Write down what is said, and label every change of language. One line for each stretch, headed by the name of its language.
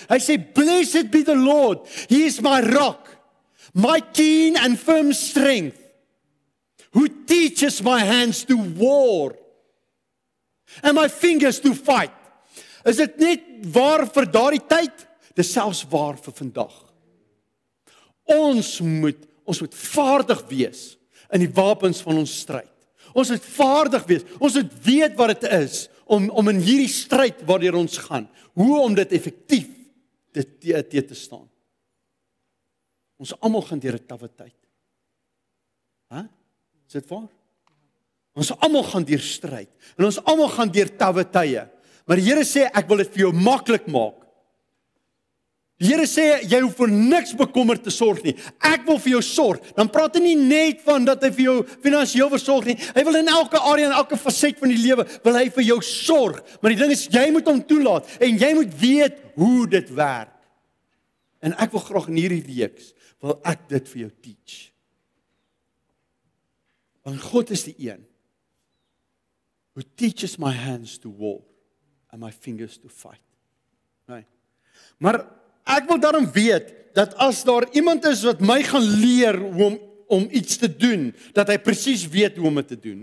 Afrikaans: Hy sê,
English: blessed be the Lord, he is my rock, my keen and firm strength, who teaches my hands to war. And my fingers to fight.
Afrikaans: Is dit net waar vir daardie tyd? Dis selfs waar vir vandag. Ons moet vaardig wees in die wapens van ons stryd. Ons moet vaardig wees. Ons moet weet wat dit is om in hierdie stryd waardeur ons gaan. Hoe om dit effektief te staan. Ons almal gaan deur 'n tawwe tyd. Is dit waar? Ons almal gaan deur stryd. En ons almal gaan deur tawwe tye. Maar die Here sê, ek wil dit vir jou maklik maak. Die Here sê, jy hoef vir niks bekommerd te sorg nie. Ek wil vir jou sorg. Dan praat hy nie net van dat hy vir jou finansieel versorg nie. Hy wil in elke area, in elke facet van die lewe, wil hy vir jou sorg. Maar die ding is, jy moet hom toelaat. En jy moet weet hoe dit werk. En ek wil graag in hierdie reeks, wil ek dit vir jou teach. Want God is die een.
English: Who teaches my hands to war and my fingers to fight.
Afrikaans: Nee. Maar ek wil daarom weet, dat as daar iemand is wat my gaan leer om iets te doen, dat hy precies weet hoe om het te doen.